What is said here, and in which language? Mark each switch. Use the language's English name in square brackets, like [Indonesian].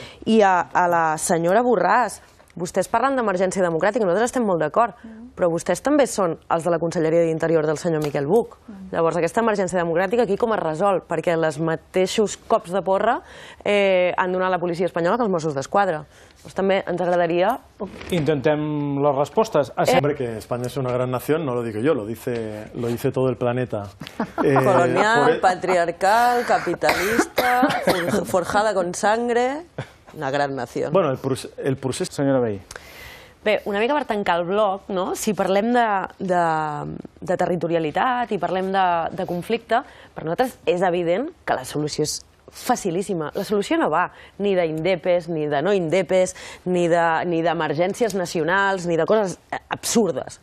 [Catalan] I a la senyora Borràs, vostès parlen d'emergència democràtica, nosaltres estem molt d'acord, però vostès també són els de la Conselleria d'Interior del senyor Miquel Buch. Llavors, aquesta emergència democràtica aquí com es resol? Perquè els mateixos cops de porra han donat la policia espanyola que els Mossos d'Esquadra. Pues també ens agradaria... Intentem les respostes. [Spanish] Hombre, que España es una gran nación, no lo digo yo, lo dice todo el planeta. Colonial, patriarcal, capitalista, forjada con sangre, una gran nación. Bueno, el procés... [Catalan] Senyora Bey. Bé, una mica per tancar el bloc, no? Si parlem de territorialitat i parlem de conflicte, per nosaltres és evident que la solució és facilíssima. La solució no va ni d'indepes, ni de no indepes, ni d'emergències nacionals, ni de coses absurdes.